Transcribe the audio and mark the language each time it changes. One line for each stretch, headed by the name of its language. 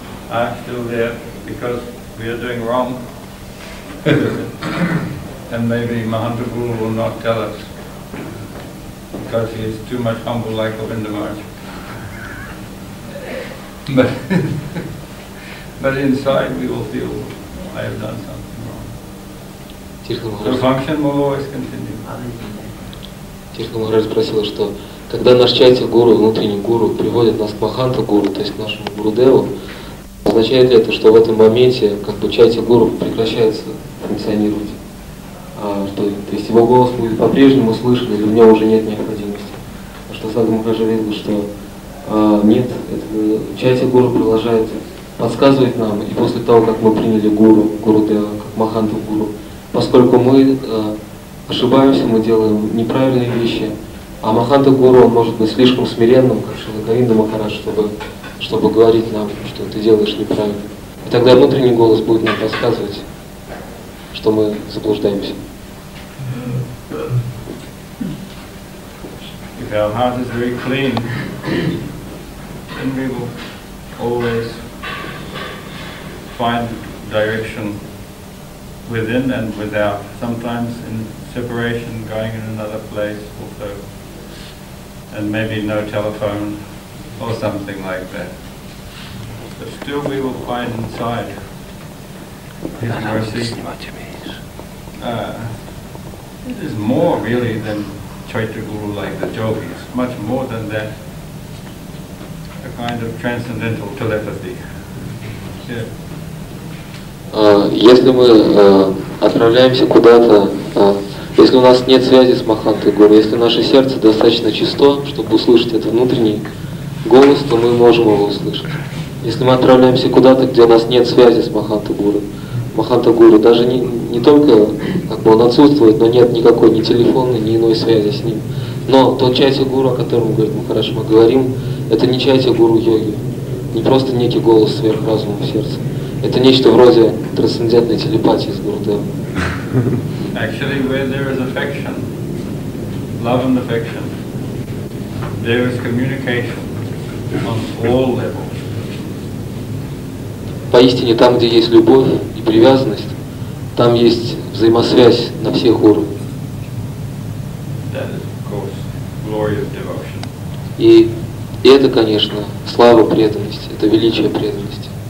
English: I'm still there because we are doing wrong. And maybe Mahantaguru will not tell us because he is too much humble like Govinda Maharaj. But inside we will feel I have done something wrong. The function will always continue.
Russian: Тирха Махарадж спросила, что когда наш чайтья-гуру, внутренний гуру, приводит нас к Маханта-гуру, то есть к нашему Гурудеву, означает ли это, что в этом моменте как бы чайтья-гуру прекращается функционировать? А, что, то есть его голос будет по-прежнему слышен, или в нем уже нет необходимости? А что Сада Махарадж видел, что нет, чайтья-гуру продолжает подсказывать нам, и после того, как мы приняли гуру, Гурудева, как Маханта-гуру, поскольку мы... ошибаемся, мы делаем неправильные вещи. А Маханта Гуру, он может быть слишком смиренным, как Шрила Говинда Махарадж, чтобы говорить нам, что ты делаешь неправильно. И тогда внутренний голос будет нам подсказывать, что мы заблуждаемся.
English: If our heart is very clean, then we will always find direction within and without. Sometimes in separation, going in another place also, and maybe no telephone or something like that. But still we will find inside His mercy. It is more really than Chaitra Guru like the yogis, much more than that, a kind of transcendental telepathy. Yeah.
Russian: Если мы отправляемся куда-то, если у нас нет связи с Маханты Гуру, если наше сердце достаточно чисто, чтобы услышать этот внутренний голос, то мы можем его услышать. Если мы отправляемся куда-то, где у нас нет связи с Маханты Гуру, Маханта Гуру даже не только как бы он отсутствует, но нет никакой ни телефонной, ни иной связи с ним. Но тот Чайтья Гуру, о котором говорит Махарадж, мы говорим, это не Чайтья Гуру йоги, не просто некий голос сверхразума в сердце. Это нечто вроде трансцендентной телепатии с Гурудевом.
English: Actually, where there is affection, love and affection, there is communication on all levels.
Russian: Поистине, там, где есть любовь и привязанность, там есть взаимосвязь на всех уровнях.
English: That is, of course, glory of devotion.
Russian: И это, конечно, слава преданности, это величие преданности.